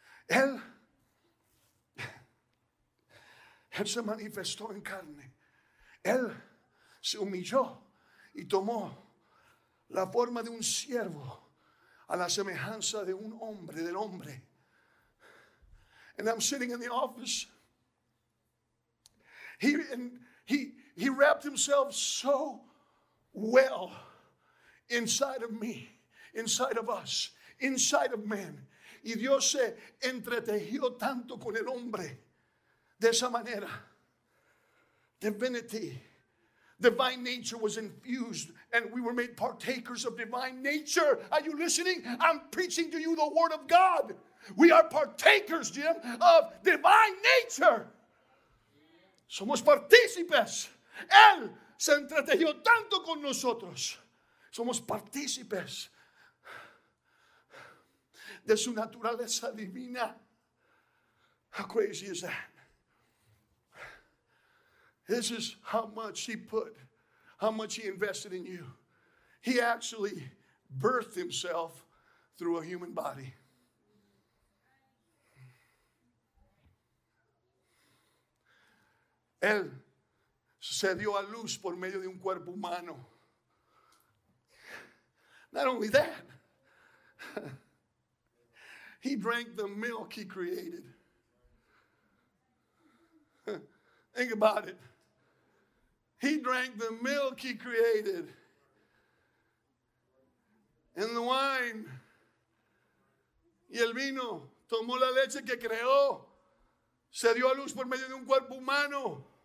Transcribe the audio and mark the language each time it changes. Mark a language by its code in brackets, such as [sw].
[es] Él se manifestó en carne. Él se humilló y tomó la forma de un siervo a la semejanza de un hombre, del hombre. [en] And I'm sitting in the office. He wrapped himself so well inside of me, inside of us, inside of man. [es] Y Dios se entretejió tanto con el hombre. De esa manera, [en] divinity, divine nature was infused, and we were made partakers of divine nature. Are you listening? I'm preaching to you the word of God. We are partakers, Jim, of divine nature. [es] Somos partícipes. Él se entretejó tanto con nosotros. Somos partícipes de su naturaleza divina. [en] How crazy is that? This is how much he put, how much he invested in you. He actually birthed himself through a human body. [es] Él se dio a luz por medio de un cuerpo humano. [en] Not only that, he drank the milk he created. Think about it. He drank the milk he created and the wine. [es] Y el vino tomó la leche que creó. Se dio a luz por medio de un cuerpo humano.